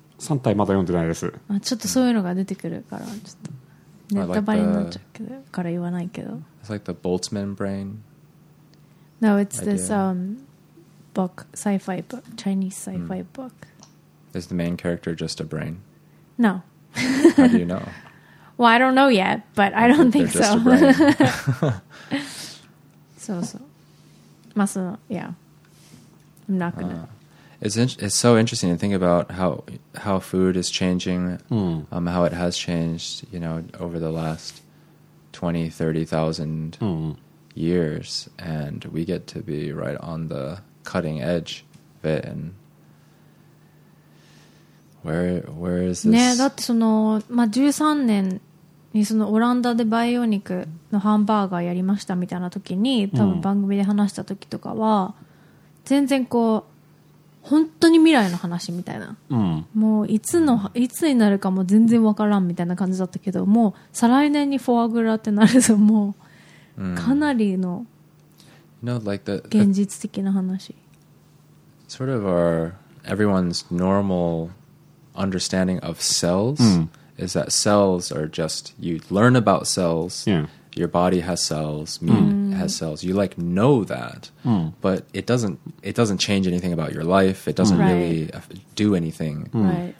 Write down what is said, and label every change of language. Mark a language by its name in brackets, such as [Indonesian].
[Japanese] 三体まだ読んでないです。あ、ちょっとそういうのが出てくるからちょっとネタバレになっちゃうから言わないけど。 [English] It's like the Boltzmann brain. No, it's this book, sci-fi book, Chinese sci-fi book. Is the main character just a brain? No. How do you know? Well, I don't know yet, but I don't think so. So, so. Muscle, yeah. I'm not going to. It's so interesting to think about how food is changing, how it has changed, you know, over the last 20, 30,000 years. And we get to be right on the cutting edge of it. And where is this? Yeah, that's so, [Japanese] ma, 13 年にそのオランダでバイオニクのハンバーガーやりましたみたいな時に多分番組で話した時とかは全然こう本当に未来の話みたいな、もういつになるかも全然わからんみたいな感じだったけど、もう再来年にフォアグラってなるぞ、もうかなりの現実的な話。 [English] Sort of our everyone's normal understanding of cells、is that cells are just, you learn about cells, your body has cells, meat has cells, you like know that, but it doesn't change anything about your life, it doesn't really do anything.